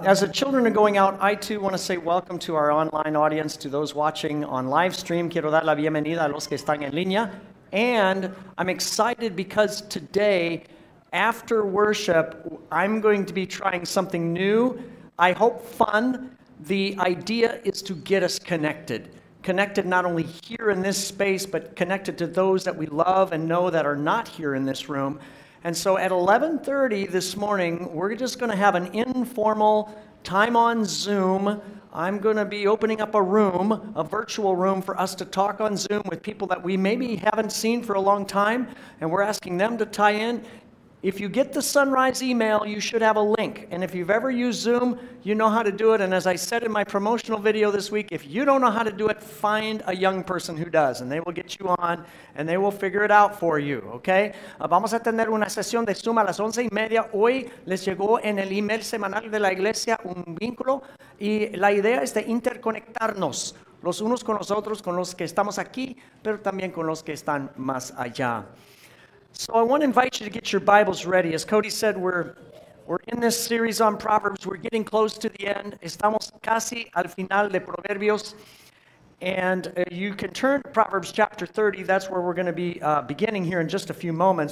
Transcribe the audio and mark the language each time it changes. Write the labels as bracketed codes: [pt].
[en] As the children are going out, I too want to say welcome to our online audience, to those watching on live stream. [es] Quiero dar la bienvenida a los que están en línea. [en] And I'm excited because today, after worship, I'm going to be trying something new. I hope fun. The idea is to get us connected. Connected not only here in this space, but connected to those that we love and know that are not here in this room. And so at 11:30 this morning, we're just going to have an informal time on Zoom. I'm going to be opening up a room, a virtual room, for us to talk on Zoom with people that we maybe haven't seen for a long time, and we're asking them to tie in. If you get the Sunrise email, you should have a link. And if you've ever used Zoom, you know how to do it. And as I said in my promotional video this week, if you don't know how to do it, find a young person who does, and they will get you on, and they will figure it out for you, okay? [es] Vamos a tener una sesión de Zoom a las 11:30. Hoy les llegó en el email semanal de la iglesia un vínculo, y la idea es de interconectarnos los unos con los otros, con los que estamos aquí, pero también con los que están más allá. [en] So I want to invite you to get your Bibles ready. As Cody said, we're in this series on Proverbs. We're getting close to the end. [es] Estamos casi al final de Proverbios. [en] And you can turn to Proverbs chapter 30. That's where we're going to be beginning here in just a few moments.